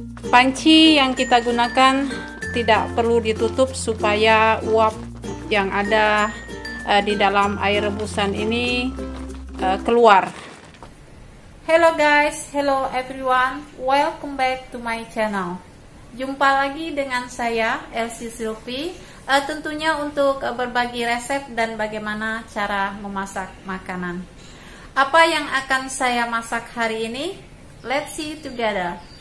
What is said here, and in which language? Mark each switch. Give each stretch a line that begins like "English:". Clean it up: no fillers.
Indonesian: Panci yang kita gunakan tidak perlu ditutup supaya uap yang ada di dalam air rebusan ini keluar.
English: Hello guys, hello everyone, welcome back to my channel.
Indonesian: Jumpa lagi dengan saya, Elsie Sylvie, tentunya untuk berbagi resep dan bagaimana cara memasak makanan. Apa yang akan saya masak hari ini?
English: Let's see together.